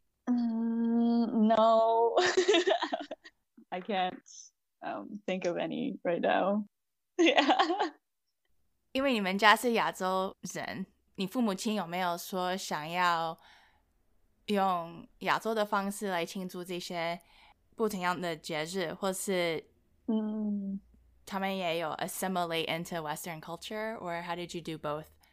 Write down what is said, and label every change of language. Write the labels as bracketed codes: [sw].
[en] No, I can't think of any right now. Yeah. [zh] 因为你们家是亚洲人，你父母亲有没有说想要用亚洲的方式来庆祝这些不同样的节日，或是？他们也有 [en] assimilate into Western culture, or how did you do both?